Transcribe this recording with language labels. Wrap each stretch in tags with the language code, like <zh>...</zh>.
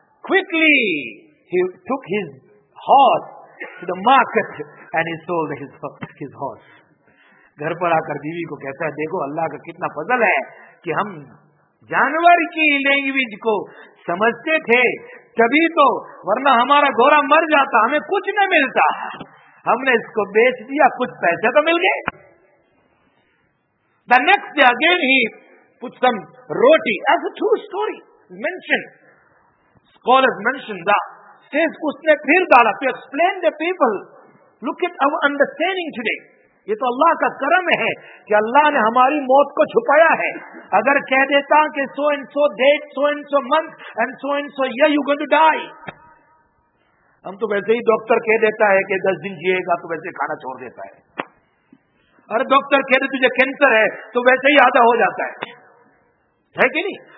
<en>Quickly he took his horse to the market and he sold his horse.</en> <ur>گھر پر آ کر بیوی کو کہتا ہے دیکھو اللہ کا کتنا فضل ہے کہ ہم جانور کی لینگویج کو سمجھتے تھے تبھی تو, ورنہ ہمارا گھوڑا مر جاتا, ہمیں کچھ نہ ملتا, ہم نے اس کو بیچ دیا کچھ پیسے تو مل گئے.</ur> <en>The next day again he put some roti as a true story mentioned, scholars mentioned that, says</en> <ur>اس نے پھر ڈالا</ur> <en>to explain the people, look at our understanding today.</en> <ur>یہ تو اللہ کا کرم ہے کہ اللہ نے ہماری موت کو چھپایا ہے. اگر کہہ دیتا کہ</ur> <en>so and so date, so and so month and so and so year you going to die,</en> <ur>ہم تو ویسے ہی ڈاکٹر کہہ دیتا ہے کہ دس دن جیے گا تو ویسے کھانا چھوڑ دیتا ہے, ارے ڈاکٹر کہہ دے تجھے کینسر ہے تو ویسے ہی آدھا ہو جاتا ہے, ہے کہ نہیں.</ur>